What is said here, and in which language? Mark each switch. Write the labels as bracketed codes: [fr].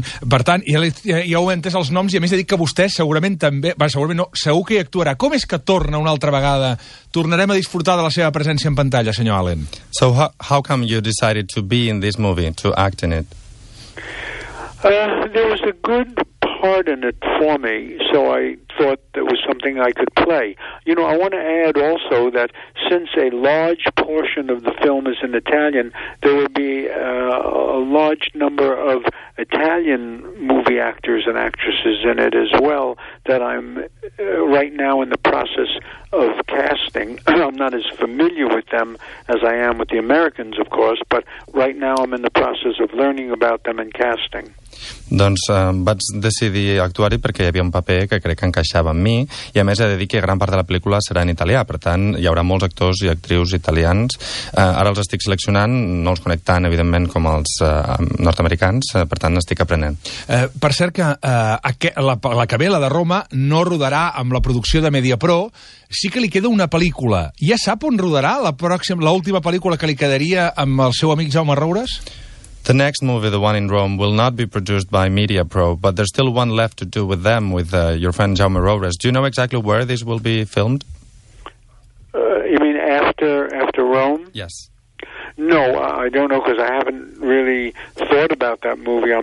[ca] Per tant, ja heu entès els noms i a més he dit que vostè segurament també, segur que hi actuarà. Com és que torna una altra vegada? Tornarem a disfrutar de la seva presència en pantalla, senyor Allen. [en] So how come you decided to be in this movie, to act in it? There was a good part in it for me, so I thought that was something I could play. You know, I want to add also that since a large portion of the film is in Italian, there will be a large number of Italian movie actors and actresses in it as well that I'm right now in the process of casting. I'm not as familiar with them as I am with the Americans, of course, but right now I'm in the process of learning about them and casting. [ca] Doncs vaig decidir actuar-hi perquè hi havia un paper que crec que encaixava amb mi, i a més he de dir que gran part de la pel·lícula serà en italià, per tant hi haurà molts actors i actrius italians. Ara els estic seleccionant, no els conec tant evidentment com els nord-americans, per tant n'estic aprenent. Per cert que la Cabela de Roma no rodarà amb la producció de Mediapro, sí que li queda una pel·lícula. Ja sap on rodarà l'última pel·lícula que li quedaria amb el seu amic Jaume Roures? [en] The next movie, The One in Rome, will not be produced by MediaPro, but there's still one left to do with them, with your friend Jaume Roures. Do you know exactly where this will be filmed? You mean after Rome? Yes. No, I don't know, because I haven't really thought about that movie.